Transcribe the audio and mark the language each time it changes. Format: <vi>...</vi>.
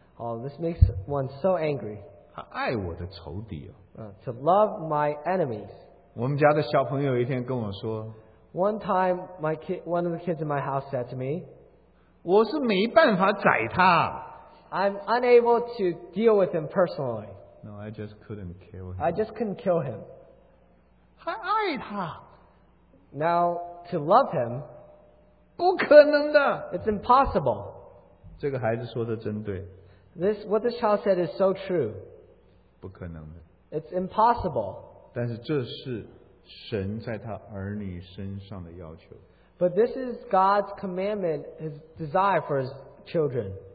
<en>Oh, this makes one so angry.</en> <zh>他爱我的仇敌哦。</zh> <en>To love my enemies.</en> <zh>我们家的小朋友一天跟我说,</zh> <en>one time, one of the kids in my house said to me,</en> <zh>我是没办法宰他。</zh> <en>I'm unable to deal with him personally. No, I just couldn't kill him. I just couldn't kill him.</en> <zh>他爱他。</zh> <en>Now, to love him,</en> <zh>不可能的,</zh> <en>it's impossible.</en> <zh>这个孩子说的真对,</zh> <en>what this child said is so true.</en> <zh>不可能的,</zh> <en>it's impossible.</en> <zh>但是这是神在他儿女身上的要求。</zh> <en>But this is God's commandment, his desire for his children.</en>